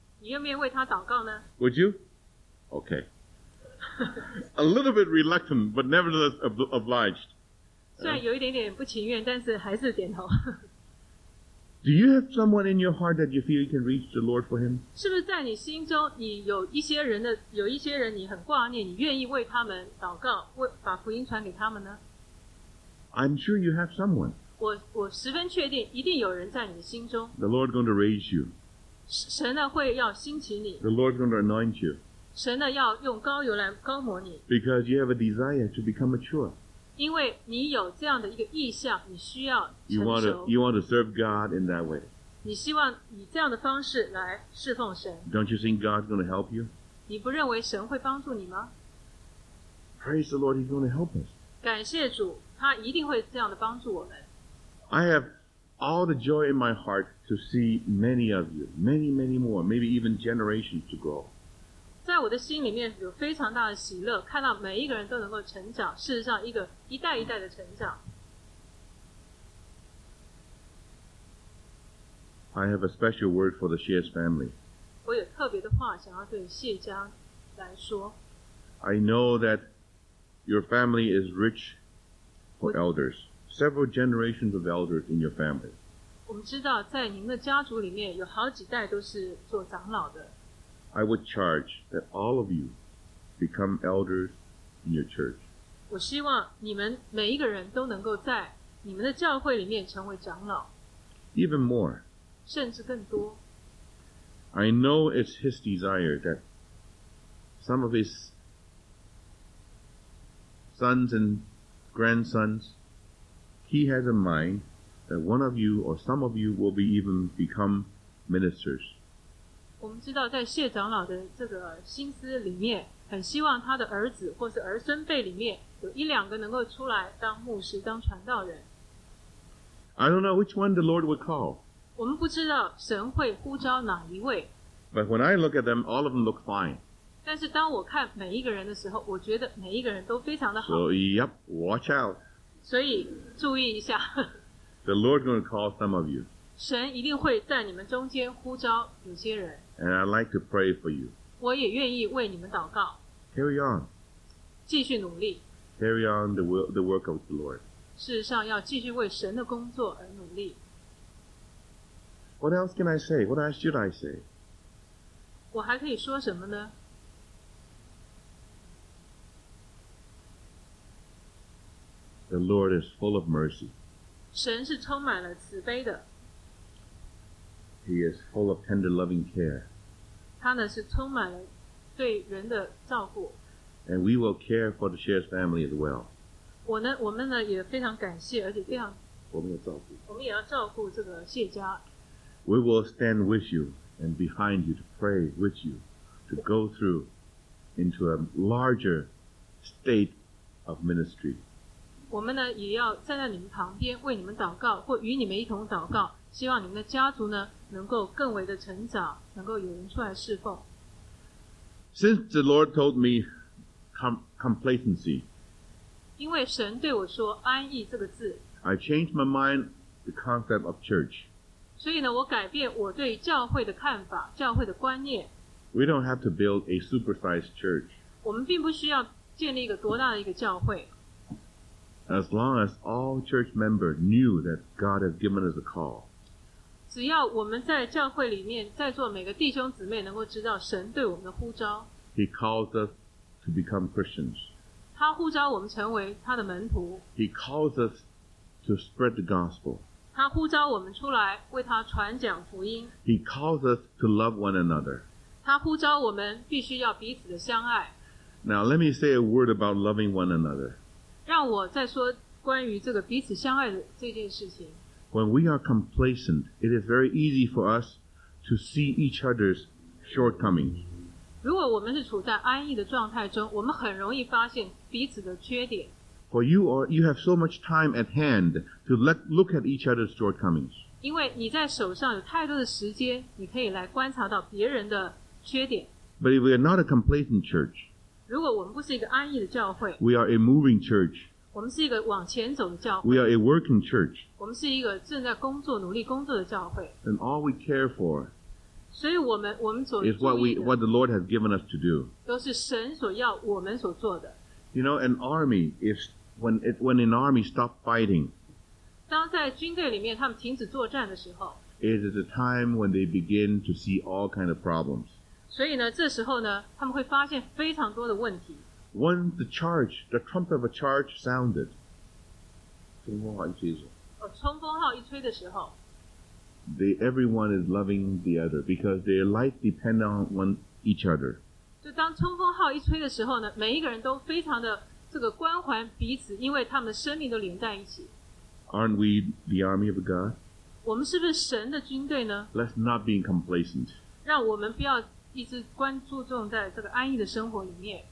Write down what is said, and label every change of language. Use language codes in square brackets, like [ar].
[zh] 你愿不愿意为他祷告呢？ [en] Would you? Okay. A little bit reluctant, but nevertheless obliged. [zh] 虽然有一点点不情愿，但是还是点头。 [en] Do you have someone in your heart that you feel you can reach the Lord for him? [zh] 是不是在你心中，你有一些人，你很挂念，你愿意为他们祷告，把福音传给他们呢？ [en] I'm sure you have someone. [zh] 我十分确定，一定有人在你的心中。 [en] The Lord is going to raise you. [zh] 神呢会要兴起你。 [en] The Lord is going to anoint you. [zh] 神呢要用膏油来膏抹你。 [en] Because you have a desire to become mature. [zh] 因为你有这样的一个意向，你需要成熟。 [en] You want to serve God in that way. [zh] 你希望以这样的方式来侍奉神。 [en] Don't you think God is going to help you? [zh] 你不认为神会帮助你吗？ [en] Praise the Lord, He's going to help us. [zh] 感谢主，他一定会这样的帮助我们。 [en] I have all the joy in my heart to see many of you, many, many more, maybe even generations to grow. [zh] 在我的心里面有非常大的喜乐，看到每一个人都能够成长，事实上一个一代一代的成长。 [en] I have a special word for the Shears family. [zh] 我有特别的话想要对谢家来说。 [en] I know that your family is rich for elders. Several generations of elders in your family. [zh] 我们知道在您的家族里面有好几代都是做长老的。 [en] I would charge that all of you become elders in your church. [zh] 我希望你们每一个人都能够在你们的教会里面成为长老。 [en] Even more. [zh] 甚至更多。 [en] I know it's his desire that some of his sons and grandsons. He has a mind that one of you or some of you will be even become ministers. [zh] 我们知道在谢长老的这个心思里面，很希望他的儿子或是儿孙辈里面有一两个能够出来当牧师、当传道人。 [en] I don't know which one the Lord would call. [zh] 我们不知道神会呼召哪一位。 [en] But when I look at them, all of them look fine. [zh] 但是当我看每一个人的时候，我觉得每一个人都非常的好。 [en] So, yep, watch out. [zh] 所以注意一下。 [en] The Lord is going to call some of you. [zh] 神一定会在你们中间呼召有些人。 [en] And I'd like to pray for you. [zh] 我也愿意为你们祷告。 [en] Carry on. [zh] 继续努力。 [en] Carry on the work of the Lord. [zh] 事实上要继续为神的工作而努力。 [en] What else can I say? What else should I say? [zh] 我还可以说什么呢？ [en] The Lord is full of mercy. [zh] 神是充满了慈悲的。 [en] He is full of tender loving care. [zh] 他呢是充满了对人的照顾。 [en] And we will care for the Shears family as well. [zh] 我们呢也非常感谢，而且非常我们要照顾。我们也要照顾这个谢家。 [en] We will stand with you and behind you to pray with you to go through into a larger state of ministry. [zh] 我们呢也要站在你们旁边为你们祷告，或与你们一同祷告，希望你们的家族呢能够更为的成长，能够有人出来侍奉。 [en] Since the Lord told me complacency, [zh] 因为神对我说安逸这个字。 [en] I changed my mind the concept of church. [zh] 所以呢，我改变我对教会的看法，教会的观念。 [en] We don't have to build a supersized church. [zh] 我们并不需要建立一个多大的一个教会。 [en] As long as all church members knew that God has given us a call. [zh] 只要我们在教会里面，在座每个弟兄姊妹能够知道神对我们的呼召。 [en] He calls us to become Christians. [zh] 他呼召我们成为他的门徒。 [en] He calls us to spread the gospel. [zh] 他呼召我们出来为他传讲福音。 [en] He calls us to love one another. [zh] 他呼召我们必须要彼此的相爱。 [en] Now let me say a word about loving one another. [zh] 让我再说关于这个彼此相爱的这件事情。 [en] When we are complacent, it is very easy for us to see each other's shortcomings. [zh] 如果我们是处在安逸的状态中，我们很容易发现彼此的缺点。 [en] For you have so much time at hand to look at each other's shortcomings. [zh] 因为你在手上有太多的时间，你可以来观察到别人的缺点。 [en] But if we are not a complacent church, [zh] 如果我们不是一个安逸的教会， [en] we are a moving church. [zh] 我们是一个往前走的教会， [en] we are a working church. [zh] 我们是一个正在工作、努力工作的教会。 [en] And all we care for. [zh] 所以我们所注意的 [en] is what the Lord has given us to do. [zh] 都是神所要我们所做的。 [en] You know, an army is when an army stops fighting. [zh] 当在军队里面他们停止作战的时候， [en] it is a time when they begin to see all kinds of problems. [zh] 所以呢，这时候呢，他们会发现非常多的问题。 [en] When the trumpet of a charge sounded, [zh] 冲锋号一吹的时候。冲锋号一吹的时候。 [en] Everyone is loving the other because their life depend on each other. [zh] 就当冲锋号一吹的时候呢，每一个人都非常的这个关怀彼此，因为他们的生命都连在一起。 [en] Aren't we the army of God? [zh] 我们是不是神的军队呢？ [en] Let's not be complacent. [zh] 让我们不要一直关注重在这个安逸的生活里面。